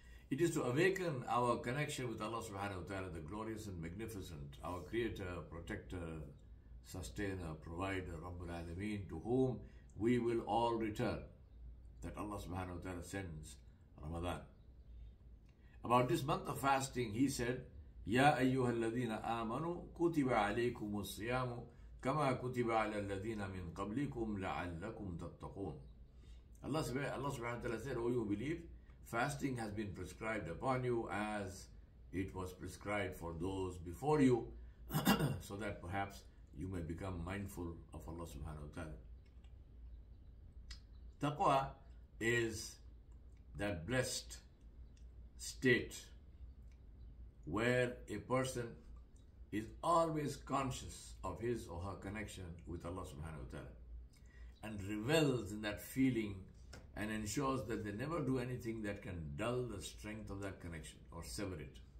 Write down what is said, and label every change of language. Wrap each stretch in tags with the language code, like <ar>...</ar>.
<en>It is to awaken our connection with Allah subhanahu wa ta'ala, the glorious and magnificent, our Creator, Protector, Sustainer, Provider, Rabbul Alameen, to whom we will all return, that Allah subhanahu wa ta'ala sends Ramadan. About this month of fasting, he said,</en> <ar>يَا أَيُّهَا الَّذِينَ آمَنُوا كُتِبَ عَلَيْكُمُ الصِّيَامُ كَمَا كُتِبَ عَلَى الَّذِينَ مِنْ قَبْلِكُمْ لَعَلَّكُمْ تَتَّقُونَ.</ar> <en>Allah subhanahu wa ta'ala said, O you who believe, fasting has been prescribed upon you as it was prescribed for those before you, so that perhaps you may become mindful of Allah subhanahu wa ta'ala. Taqwa is that blessed state where a person is always conscious of his or her connection with Allah subhanahu wa ta'ala and revels in that feeling and ensures that they never do anything that can dull the strength of that connection or sever it.</en>